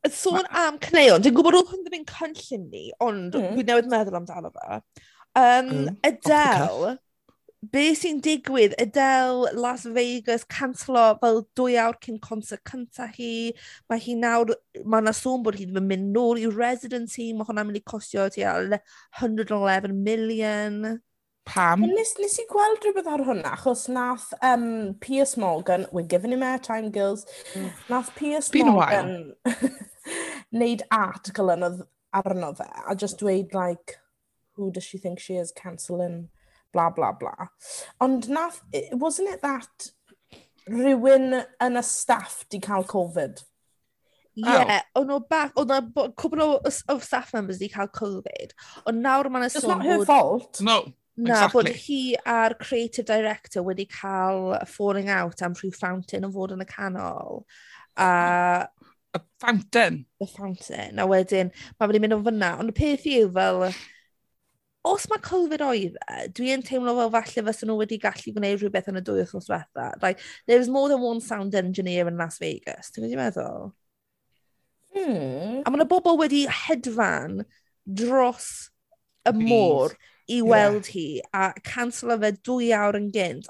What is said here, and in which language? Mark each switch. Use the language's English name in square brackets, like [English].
[Welsh] Sôn am cneon, dwi'n gwybod oedd hwn ddim yn cynllun ni, ond dwi'n newydd meddwl amdano fe. Adele, be sy'n digwydd? Adele, Las Vegas, cancelo fel [English] 2 hours [Welsh] cyn concert cynta hi. Mae hi nawr, mae yna sôn bod hi ddim yn mynd nôl i residency. Mae hwnna'n mynd i costio ti 111 million. Pam? Nes i gweld rhywbeth ar hwnna, achos nath Piers Morgan, [English] we're giving him air time, girls. [Welsh] Nath Piers Morgan neud article arno fe, a just dweud, like, [English] who does she think she is cancelling? [Welsh] Blah, blah, blah. Ond nath, [English] wasn't it that [Welsh] rhywun yn y staff di cael COVID? Yeah, ond o bach, ond [English] a couple of staff members [Welsh] di cael COVID. Ond nawr mae'n [English] it's not her fault. No, [Welsh] na, [English] exactly. [Welsh] Bod hi a'r creative director wedi cael [English] falling out [Welsh] am rhyw fountain yn fod yn y canol. [English] A fountain? The fountain. [Welsh] A wedyn, mae wedi mynd o fyna. Ond y peth yw fel... os mae COVID oedd, dwi'n teimlo fel falle fysyn nhw wedi gallu gwneud rhywbeth yn y dwy wythnos diwetha. [English] Like, there was more than one sound engineer in Las Vegas. [Welsh] Dwi'n wedi meddwl? Hmm. A mae yna bobl wedi hedfan dros y môr i weld hi a cancelo fe dwy awr yn gynt.